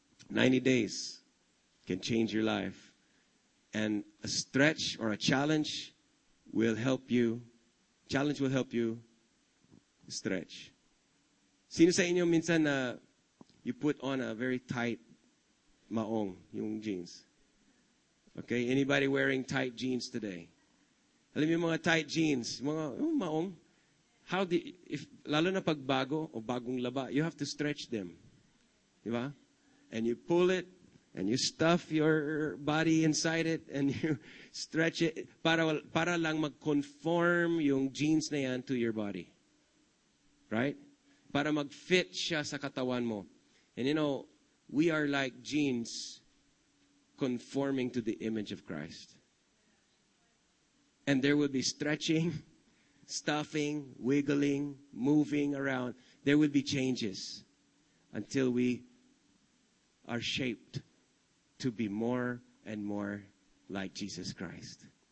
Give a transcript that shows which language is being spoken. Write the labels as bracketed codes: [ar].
[en] 90 days can change your life. And a stretch or a challenge will help you. Challenge will help you stretch. [tl] Sino sa inyo minsan na [en] you put on a very tight maong, yung jeans. Okay, anybody wearing tight jeans today? [tl] Alam niyo mga tight jeans, mga maong. How do if lalo na pag bago o bagong laba, [en] you have to stretch them. [tl] Di ba? [en] And you pull it and you stuff your body inside it and you stretch it [tl] para lang mag-conform yung jeans na yan [en] to your body. Right? [tl] Para mag-fit siya sa katawan mo. [en] And you know, we are like genes conforming to the image of Christ. And there will be stretching, stuffing, wiggling, moving around. There will be changes until we are shaped to be more and more like Jesus Christ.